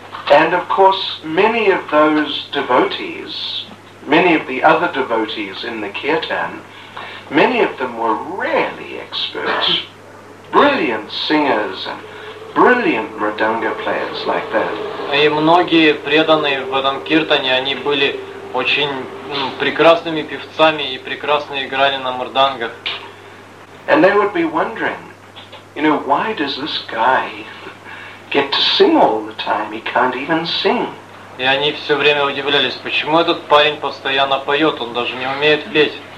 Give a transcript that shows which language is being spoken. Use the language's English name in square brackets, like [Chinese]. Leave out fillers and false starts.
[English] And of course, many of those devotees, many of the other devotees in the kirtan, many of them were really expert, brilliant singers and brilliant mridanga players like that. [Russian] И многие преданные в этом киртане, они были очень прекрасными певцами и прекрасно играли на мрдангах. [English] And they would be wondering, you know, why does this guy get to sing all the time? He can't even sing. [Russian] И они все время удивлялись, почему этот парень постоянно поет, он даже не умеет петь.